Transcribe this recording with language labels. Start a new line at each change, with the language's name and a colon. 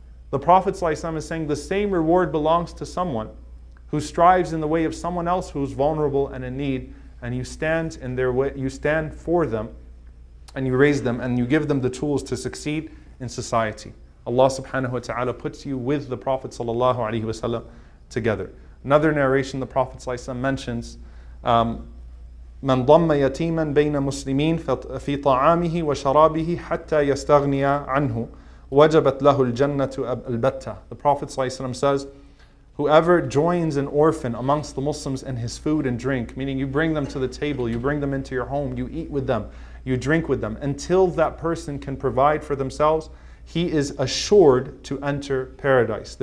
English: The Prophet ﷺ is saying the same reward belongs to someone who strives in the way of someone else who's vulnerable and in need, and you stand in their way, you stand for them, and you raise them, and you give them the tools to succeed in society. Allah subhanahu wa ta'ala puts you with the Prophet sallallahu alayhi wa sallam together. Another narration the Prophet ﷺ mentions,
Arabic: من ضم يتيما بين مسلمين في طعامه وشرابه حتى يستغنى عنه وجبت له الجنة البتة.
English: The Prophet ﷺ says, whoever joins an orphan amongst the Muslims in his food and drink, meaning you bring them to the table, you bring them into your home, you eat with them, you drink with them, until that person can provide for themselves, he is assured to enter paradise.